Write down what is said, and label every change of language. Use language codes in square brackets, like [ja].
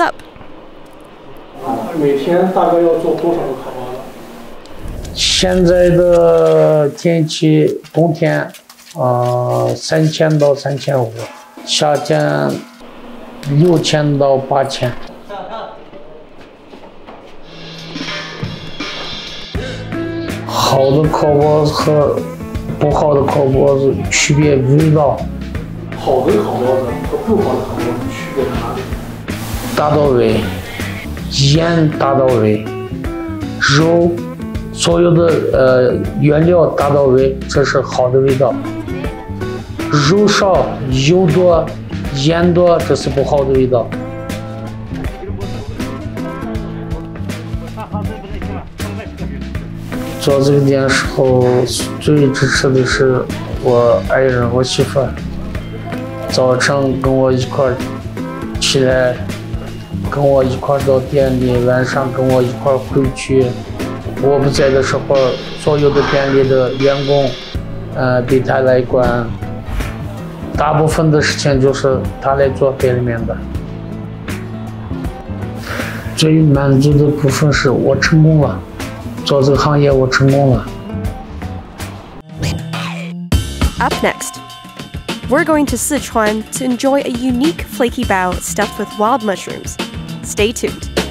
[zh] up. 所有的原料达到位，这是好的味道。肉少油多盐多这是不好的味道。做这个店的时候最支持的是我爱人我媳妇，早上跟我一块起来跟我一块到店里，晚上跟我一块回去。我不在的时候所有的店里的员工对他来管，大部分的事情就是他来做店里面的。最满足的部分是我成功了，做这个行业我成功了。 [en] Up next, we're going to Sichuan to enjoy a unique flaky bao stuffed with wild mushrooms. Stay tuned.